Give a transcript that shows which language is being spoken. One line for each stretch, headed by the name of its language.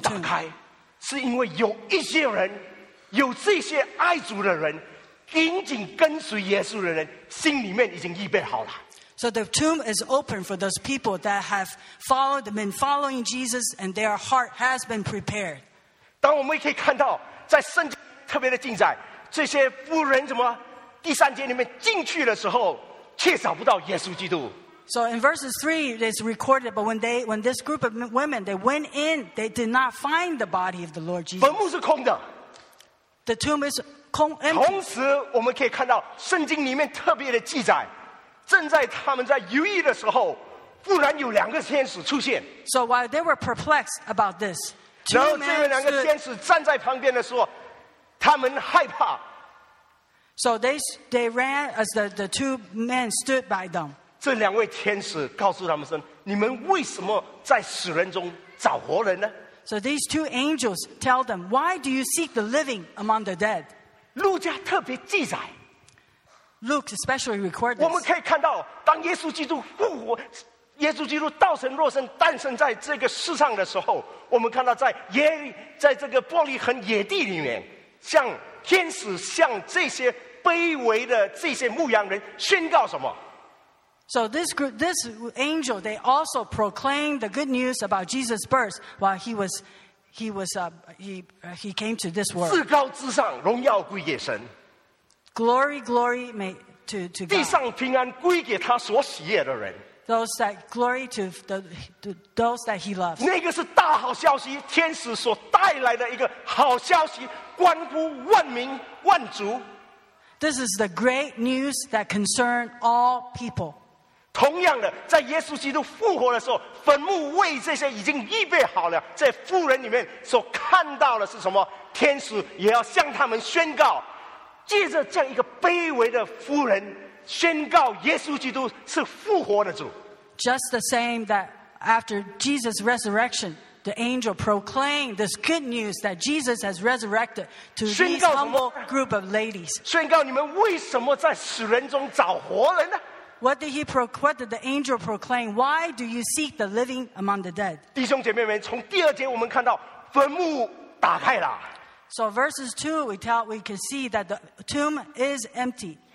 Chinese: 坟墓打开，是因为有一些人，有这些爱主的人。紧紧跟随耶稣的人，心里面已经预备好了。
English: So the tomb is open for those people that have followed, been following Jesus, and their heart has been prepared.
Chinese: 当我们可以看到，在圣经特别的记载，这些妇人怎么第三节里面进去的时候，却找不到耶稣基督。
English: So in verses 3, it's recorded, but when this group of women they went in, they did not find the body of the Lord Jesus.
Chinese: 坟墓是空的。
English: The tomb is
Chinese: 同时我们可以看到圣经里面特别的记载正在他们在犹豫的时候忽然有两个天使出现
English: So while they were perplexed about this
Chinese: 然后这两个天使站在旁边的时候他们害怕
English: So they ran as the two men stood by them
Chinese: 这两位天使告诉他们说你们为什么在死人中找活人呢
English: So these two angels tell them why do you seek the living among the dead
Chinese: 路加特别记载
English: Luke especially records
Chinese: 我们可以看到当耶稣基督复活耶稣基督道成肉身诞生在这个世上的时候我们看到在这个伯利恒野地里面向天使向这些卑微的这些牧羊人宣告什么
English: So this angel they also proclaimed the good news about Jesus' birth while he came to this world.
Chinese: 至高至上，荣耀归给神。
English: Glory, glory, may to God.
Chinese: 地上平安归给他所喜悦的人。
English: Those that glory to the those that he loves.
Chinese: 那个是大好消息，天使所带来的一个好消息，关乎万民万族。
English: This is the great news that concern all people.
Chinese: 同样的，在耶稣基督复活的时候。坟墓为这些已经预备好了这妇人里面所看到的是什么天使也要向他们宣告借着这样一个卑微的妇人宣告耶稣基督是复活的主
English: Just the same that after Jesus resurrection the angel proclaimed this good news that Jesus has resurrected to this humble group of ladies
Chinese: 宣告你们为什么在死人中找活人呢
English: What did the angel proclaim? Why do you seek the living among the dead?
Chinese: 弟兄姐妹们，从第二节我们看到坟墓打开了。
English: So verses 2, we can see that the tomb is empty.